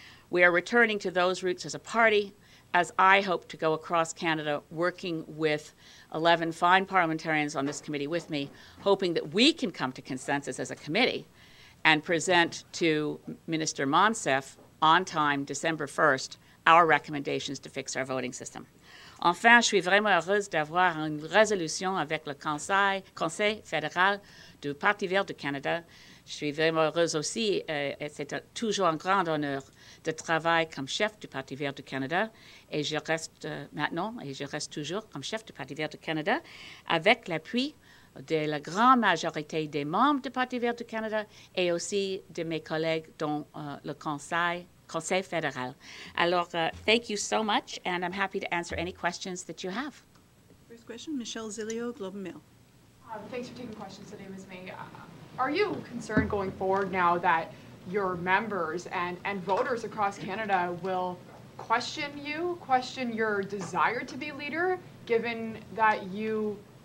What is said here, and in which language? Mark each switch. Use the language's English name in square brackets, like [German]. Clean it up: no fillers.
[English] We are returning to those roots as a party, as I hope to go across Canada working with 11 fine parliamentarians on this committee with me, hoping that we can come to consensus as a committee and present to Minister Monsef on time, December 1st, our recommendations to fix our voting system. [French] Enfin, je suis vraiment heureuse d'avoir une résolution avec le Conseil fédéral du Parti vert du Canada. Je suis vraiment heureuse aussi, et c'est toujours un grand honneur de travailler comme chef du Parti vert du Canada. Et je reste maintenant, et je reste toujours comme chef du Parti vert du Canada, avec l'appui de la grande majorité des membres du Parti vert du Canada et aussi de mes collègues dans le Conseil fédéral. [English] Alors, thank you so much, and I'm happy to answer any questions that you have. First question, Michelle Zilio, Globe and Mail. Thanks for taking questions. The name is me. Are you concerned going forward now that your members and voters across Canada will question your desire to be leader, given that you